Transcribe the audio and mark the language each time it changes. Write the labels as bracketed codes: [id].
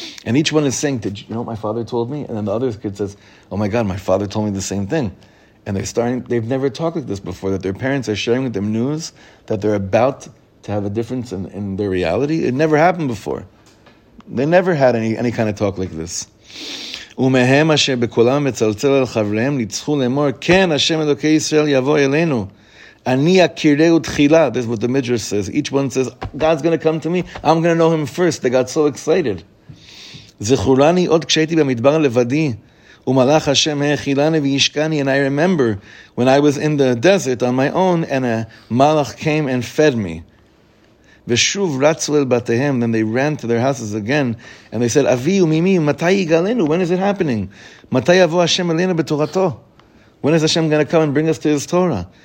[en] And each one is saying, did you know what my father told me? And then the other kid says, oh my God, my father told me the same thing. And they've never talked like this before, that their parents are sharing with them news that they're about to have a difference in their reality. It never happened before. They never had any kind of talk like this. [he] ומהם אשר בקולם מצלצל על חבריהם ניצחו לאמור כן השם אלוקי ישראל יבוא אלינו אני אכירהו תחילה. [en] This is what the Midrash says. Each one says, God's going to come to me. I'm going to know him first. They got so excited. [he] זכורני עוד כשהייתי במדבר לבדי ומלאך השם האכילני וישקני. [en] And I remember when I was in the desert on my own and a malach came and fed me. [he] Veshuv ratzu el batehem, [en] then they ran to their houses again, and they said, [he] Avi umimi, matai yigalenu, [en] when is it happening? [he] Matai avo Hashem elenu betorato? [en] When is Hashem going to come and bring us to His Torah?